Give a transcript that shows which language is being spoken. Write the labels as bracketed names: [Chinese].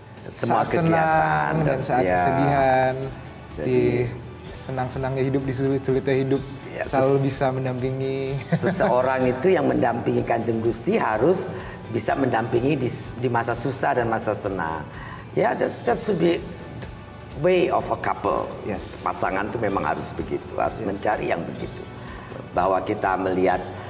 [Indonesian] semua saat kegiatan, senang dan saat kesedihan, jadi di senang-senangnya hidup, di sulit-sulitnya hidup, selalu bisa mendampingi. Seseorang itu yang mendampingi Kanjeng Gusti harus bisa mendampingi di masa susah dan masa senang. [English] Ya, that should be way of a couple. Yes. [Indonesian] Pasangan itu memang harus begitu, harus mencari yang begitu. Bahwa kita melihat